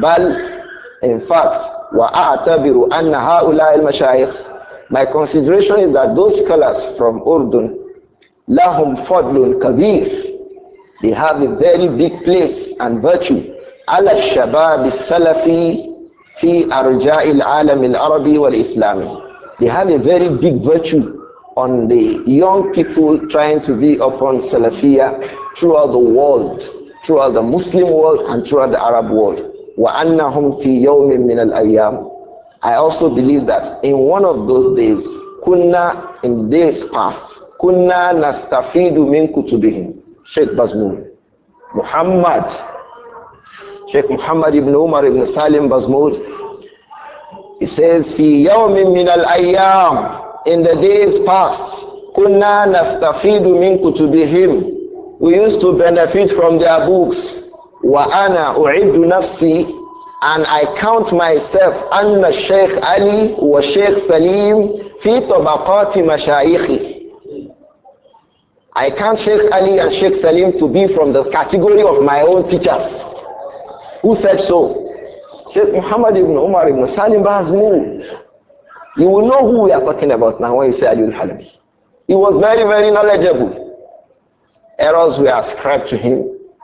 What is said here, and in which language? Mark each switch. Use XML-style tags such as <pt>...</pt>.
<en>Bal, in fact,</en> <ar>وَأَعْتَبِرُ أَنَّ هَؤُلَاءِ الْمَشَايِخِ.</ar> <en>My consideration is that those scholars from Urdun,</en> <ar>لَهُمْ فَضْلٌ كَبِيرٌ.</ar> <en>They have a very big place and virtue.</en> <ar>عَلَى الشَّبَابِ السَّلَفِي فِي أَرْجَاءِ الْعَالَمِ الْعَرَبِي وَالْإِسْلَامِ.</ar> <en>They have a very big virtue on the young people trying to be upon Salafiyya throughout the world, throughout the Muslim world and throughout the Arab world.</en> <ar>وَأَنَّهُمْ فِي يَوْمٍ مِّنَ الْأَيَّامِ.</ar> <en>I also believe that in one of those days,</en> <ar>كُنَّا,</ar> <en>in days past,</en> <ar>كُنَّا نَسْتَفِيدُ مِنْ كُتُبِهِمْ.</ar> <en>Sheikh Mazmoul. Muhammad. Sheikh Muhammad ibn Umar ibn Salim Mazmoul. He says,</en> <ar>فِي يَوْمٍ مِّنَ الْأَيَّامِ.</ar> <en>In the days past,</en> <ar>كُنَّا نَسْتَفِيدُ مِنْ كُتُبِهِمْ.</ar> <en>We used to benefit from their books.</en> <ar>وَأَنَا أُعِدُّ نَفْسِي.</ar> <en>And I count myself</en> <ar>أَنَّ الشَّيْخ عَلِي وَالشَّيْخ سَلِيمُ فِي طَبَقَاتِ مَشَائِخِ.</ar> <en>I count Sheikh Ali and Sheikh Salim to be from the category of my own teachers. Who said so? Sheikh Muhammad ibn Umar ibn Salim Mazmoul. You will know who we are talking about now when you say Ali al-Halabi. He was very, very knowledgeable. Errors were ascribed to him.</en>